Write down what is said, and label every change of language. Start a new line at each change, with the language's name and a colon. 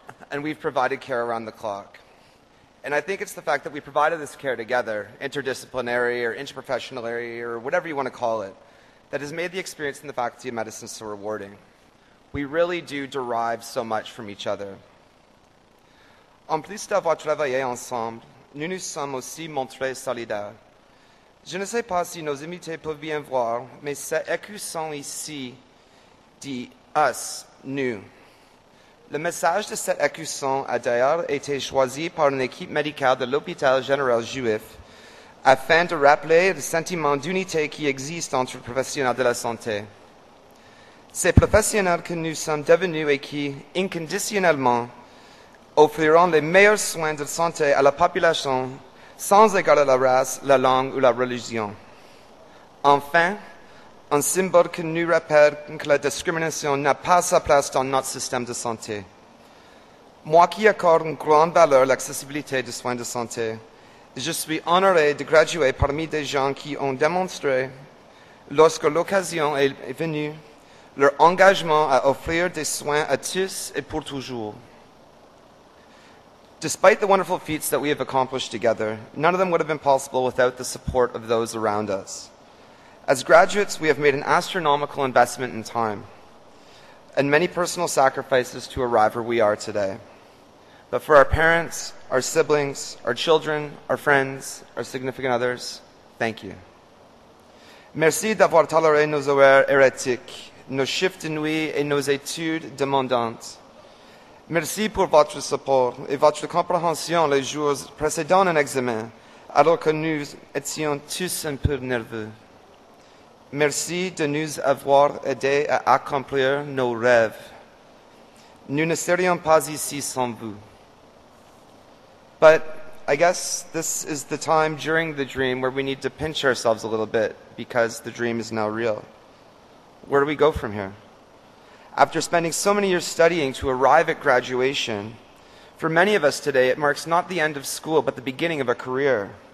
English: And we've provided care around the clock. And I think it's the fact that we provided this care together, interdisciplinary or interprofessionary or whatever you want to call it, that has made the experience in the Faculty of Medicine so rewarding. We really do derive so much from each other.
French: En plus d'avoir travaillé ensemble, nous nous sommes aussi montrés solidaires. Je ne sais pas si nos invités peuvent bien voir, mais ces écussons ici dit us, nous. Le message de cet écusson a d'ailleurs été choisi par une équipe médicale de l'hôpital général juif afin de rappeler le sentiment d'unité qui existe entre professionnels de la santé. Ces professionnels que nous sommes devenus et qui, inconditionnellement, offriront les meilleurs soins de santé à la population sans égard à la race, la langue ou la religion. Enfin, un symbole qui nous rappelle que la discrimination n'a pas sa place dans notre système de santé. Moi qui accorde une grande valeur à l'accessibilité des soins de santé, je suis honoré de graduer parmi des gens qui ont démontré, lorsque l'occasion est venue, leur engagement à offrir des soins à tous et pour toujours.
English: Despite the wonderful feats that we have accomplished together, none of them would have been possible without the support of those around us. As graduates, we have made an astronomical investment in time and many personal sacrifices to arrive where we are today. But for our parents, our siblings, our children, our friends, our significant others, thank you.
French: Merci d'avoir toléré nos horaires hérétiques, nos chiffres de nuit et nos études demandantes. Merci pour votre support et votre compréhension les jours précédant un examen, alors que nous étions tous un peu nerveux. Merci de nous avoir aidés à accomplir nos rêves. Nous ne serions pas ici sans vous.
English: But I guess this is the time during the dream where we need to pinch ourselves a little bit because the dream is now real. Where do we go from here? After spending so many years studying to arrive at graduation, for many of us today, it marks not the end of school, but the beginning of a career.